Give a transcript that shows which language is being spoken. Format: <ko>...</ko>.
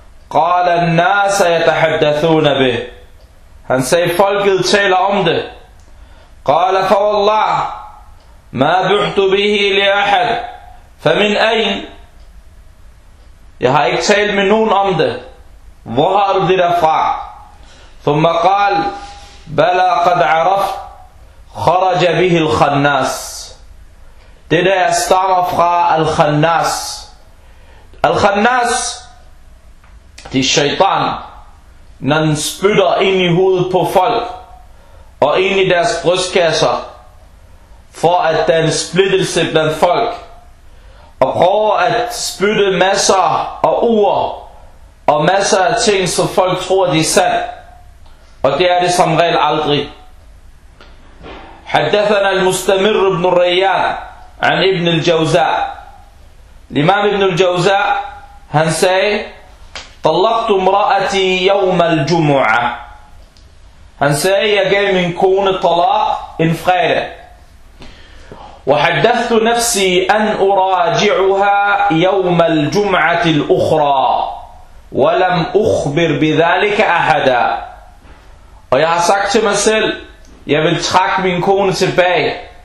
<ar>قال الناس يتحدثون به,</ar> <da>han sagde, folket taler om det.</da> <ar>قال فوالله ما بحت به لأحد, فمن أين,</ar> <da>jeg har ikke talt med nogen om det, hvor har du det fra?</da> <ar>ثم قال بلا قد عرف خرج به الخناس,</ar> <da>det der er stammer fra</da> <ar>الخناس.</ar> <da>الخناس det er shaitan, når den spytter ind i hovedet på folk og ind i deres brystkasser for at der er en splittelse blandt folk, og prøver at spytte masser af ord og masser af ting, som folk tror de er sandt. Og det er det som regel aldrig.</da> <ar>حدثنا المستمر بن الريان عن ابن الجوزاء, الإمام ابن الجوزاء</ar> <da>han sagde:</da> <ar>طلقت امرأتي يوم الجمعة,</ar> <da>han sagde, jeg gav min kone طلاق en fredag.</da> <ar>وحدثت نفسي أن أراجعها يوم الجمعة الأخرى ولم أخبر بذلك أحدا,</ar> <da>og jeg har sagt til mig selv, jeg vil trække min kone tilbage.</da>